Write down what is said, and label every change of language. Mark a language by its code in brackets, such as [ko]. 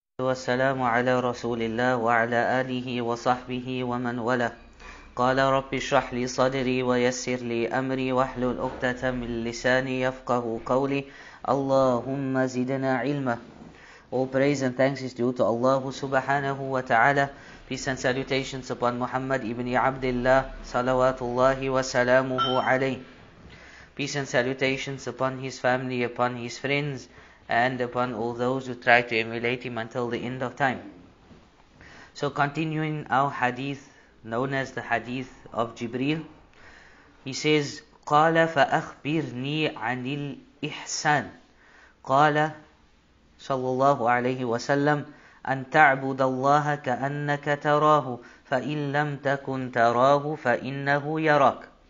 [ar] والسلام على رسول الله وعلى آله وصحبه ومن والاه. قال رب اشرح لي صدري ويسر لي أمري واحلل عقدة من لساني يفقه قولي اللهم زدنا علما. [en] All praise and thanks is due to Allah subhanahu wa ta'ala. Peace and salutations upon Muhammad ibn Abdullah [ar] salawatullahi wa salamuhu alayhi. [en] Peace and salutations upon his family, upon his friends, and upon all those who try to emulate him until the end of time. So continuing our hadith, known as the hadith of Jibreel, he says, [ar] قَالَ فَأَخْبِرْنِي عَنِ الْإِحْسَانِ قَالَ صلى الله عليه وسلم أن تعبد الله كأنك تراه فإن لم تكن تراه فإنه يراك.